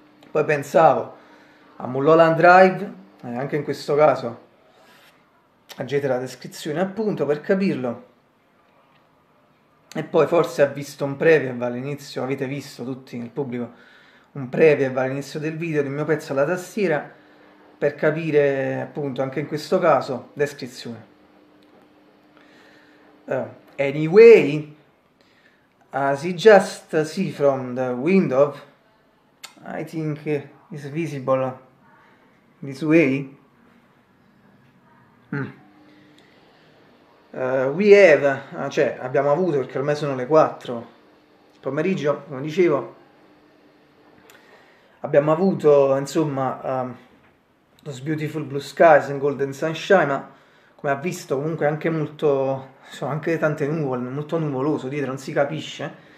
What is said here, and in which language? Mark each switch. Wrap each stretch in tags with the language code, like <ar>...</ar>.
<it>Poi pensavo a Mulholland Drive, anche in questo caso leggete la descrizione appunto per capirlo. E poi forse ha visto un preview all'inizio, avete visto tutti nel pubblico un preview all'inizio del video del mio pezzo alla tastiera. Per capire appunto anche in questo caso descrizione.</it> <en>Anyway, as you just see from the window, I think it's visible this way.</en> <it>Cioè abbiamo avuto, perché ormai sono le 4 il pomeriggio, come dicevo, abbiamo avuto insomma</it> <en>Those Beautiful Blue Skies and Golden Sunshine,</en> <it>ma come ha visto comunque anche molto, insomma, anche tante nuvole, molto nuvoloso dietro, non si capisce,</it>